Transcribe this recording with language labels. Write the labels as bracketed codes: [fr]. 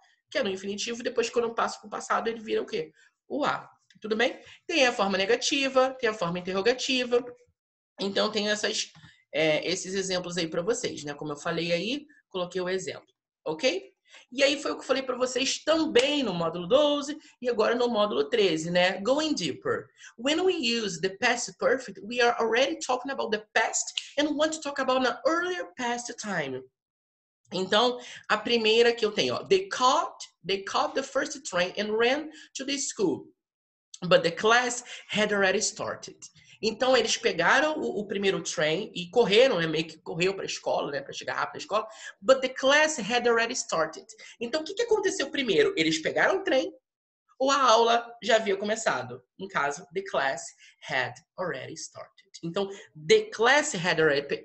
[pt] que é no infinitivo, e depois quando eu passo para o passado, ele vira o quê? O A. Tudo bem? Tem a forma negativa, tem a forma interrogativa. Então, tem essas, esses exemplos aí para vocês, né? Como eu falei aí, coloquei o exemplo, ok? E aí, foi o que eu falei para vocês também no módulo 12 e agora no módulo 13, né? [en] Going deeper. When we use the past perfect, we are already talking about the past and want to talk about an earlier past time. Então, a primeira que eu tenho, ó. They caught the first train and ran to the school. But the class had already started. [pt] Então, eles pegaram o primeiro trem e correram, né? Meio que correu para a escola, né? Para chegar rápido na escola. But the class had already started. Então, o que aconteceu primeiro? Eles pegaram o trem ou a aula já havia começado? No caso, the class had already started. Então, the class had already...